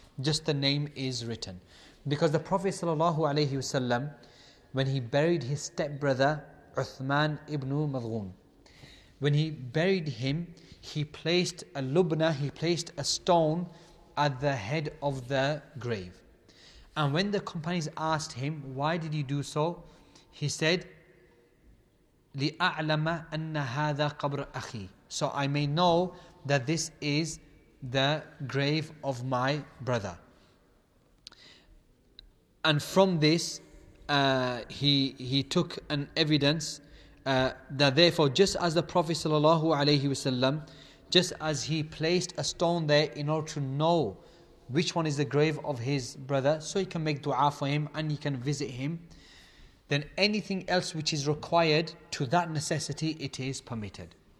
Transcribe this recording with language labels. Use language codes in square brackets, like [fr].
[en] Just the name is written. Because the Prophet sallallahu alayhi wasallam, when he buried his stepbrother, Uthman ibn Madhun, when he buried him, he placed a lubna, he placed a stone at the head of the grave. And when the companions asked him, why did you do so? He said, [ar] لِأَعْلَمَ أَنَّ هَذَا قَبْرَ أَخِي. [en] So I may know that this is the grave of my brother. And from this, he took an evidence that therefore, just as the Prophet sallallahu alaihi wasallam, just as he placed a stone there in order to know which one is the grave of his brother, so he can make dua for him and he can visit him, then anything else which is required to that necessity, it is permitted.